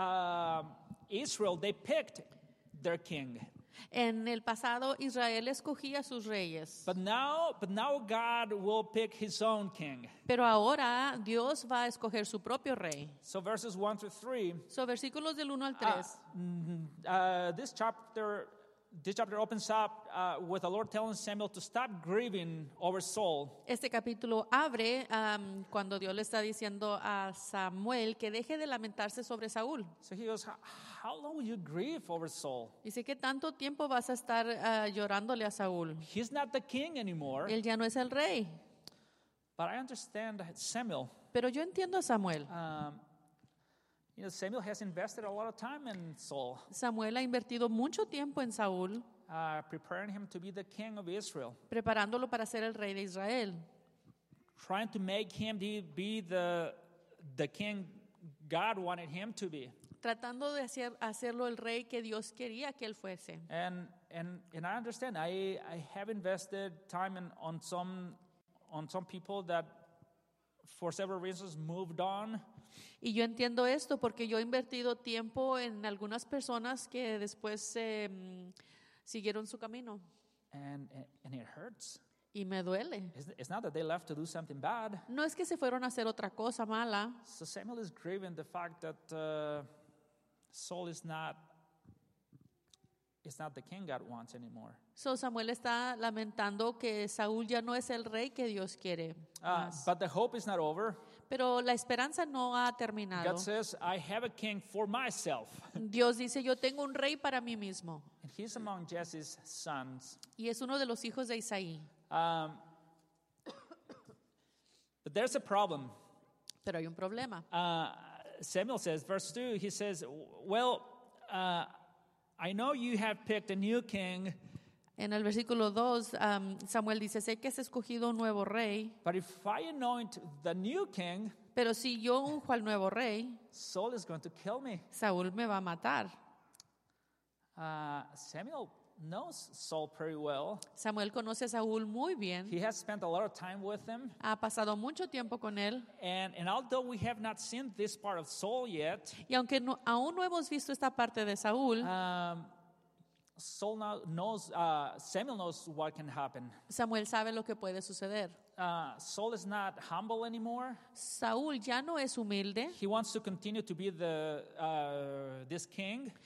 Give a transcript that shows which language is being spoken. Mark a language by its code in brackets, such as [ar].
[en] In the past, Israel, they picked their king. [es] En el pasado, Israel escogía sus reyes. [en] But now God will pick his own king. [es] Pero ahora Dios va a escoger su propio rey. [en] So verses 1 through 3. [es] So versículos del 1 al 3. [en] This chapter opens up with the Lord telling Samuel to stop grieving over Saul. [es] Este capítulo abre cuando Dios le está diciendo a Samuel que deje de lamentarse sobre Saúl. [en] So he goes, how long will you grieve over Saul? [es] Dice, ¿qué tanto tiempo vas a estar llorándole a Saúl? [en] He's not the king anymore. [es] Él ya no es el rey. [en] But I understand Samuel. [es] Pero yo entiendo a Samuel. [en] You know, Samuel has invested a lot of time in Saul. [es] Samuel ha invertido mucho tiempo en Saúl. [en] Preparing him to be the king of Israel. [es] Preparándolo para ser el rey de Israel. [en] Trying to make him be the king God wanted him to be. [es] Tratando de hacerlo el rey que Dios quería que él fuese. [en] And I understand. I have invested time on some people that for several reasons moved on. [es] Y yo entiendo esto porque yo he invertido tiempo en algunas personas que después siguieron su camino. [en] And it hurts. [es] Y me duele. [en] It's not that they left to do something bad. [es] No es que se fueron a hacer otra cosa mala. [en] So Samuel is grieving the fact that Saul is not, it's not the king God wants anymore. [es] So Samuel está lamentando que Saúl ya no es el rey que Dios quiere. [en] But the hope is not over. [es] Pero la esperanza no ha terminado. [en] God says, I have a king for myself. [es] Dios dice, yo tengo un rey para mí mismo. [en] And he's among Jesse's sons. [es] Y es uno de los hijos de Isaí. [en] But there's a problem. [es] Pero hay un problema. [en] Samuel says, verse 2, he says, well, I know you have picked a new king. [es] En el versículo 2, Samuel dice, sé que has escogido un nuevo rey. [en] But if I anoint the new king, [es] pero si yo unjo al nuevo rey, [en] Saul is going to kill me. [es] Saúl me va a matar. [en] Samuel knows Saul pretty well. [es] Samuel conoce a Saúl muy bien. [en] He has spent a lot of time with him. [es] Ha pasado mucho tiempo con él. [en] And although we have not seen this part of Saul yet, [es] y aunque no, aún no hemos visto esta parte de Saúl, [en] Saul now knows, Samuel knows what can happen. [es] Samuel sabe lo que puede suceder. [en] Saul is not humble anymore. [es] Saúl ya no es humilde. [en] He wants to continue to be the this king.